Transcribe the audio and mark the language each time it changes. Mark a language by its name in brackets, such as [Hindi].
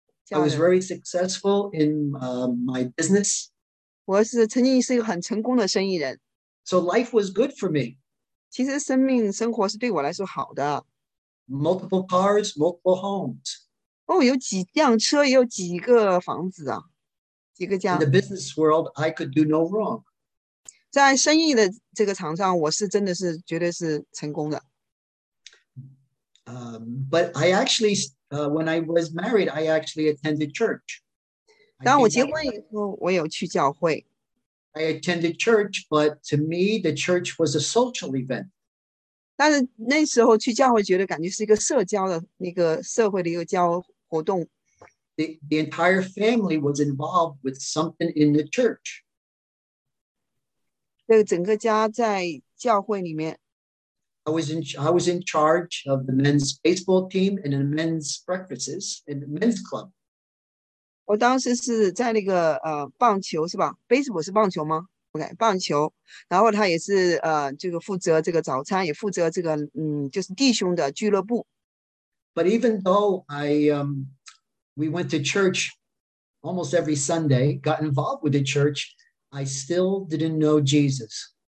[English] I was very successful in my business. [Chinese] 我是曾经是一个很成功的生意人。 [English] So life was good for me. [Chinese] 其实生活是对我来说好的。 [English] Multiple cars, multiple homes. [Chinese] 哦，有几辆车，也有几个房子啊。 [English] In the business world, I could do no wrong. [Chinese] 在生意的这个场上，我是真的是绝对是成功的。 [English] But I actually When I was married, I actually attended church. [Chinese] 当我结婚以后，我有去教会。 [English] I attended church, but to me, the church was a social event. [Chinese] 但是那时候去教会觉得感觉是一个社交的那个社会的一个教活动。 [English] The entire family was involved with something in the church. [Chinese] 这个整个家在教会里面。 [English] I was in charge of the men's baseball team and the men's breakfasts and the men's club. [Chinese] 我当时是在那个棒球是吧? Baseball 是棒球吗?Okay, 棒球。然后他也是负责这个早餐，也负责这个就是弟兄的俱乐部。 [English] But even though we went to church almost every Sunday, got involved with the church, I still didn't know Jesus.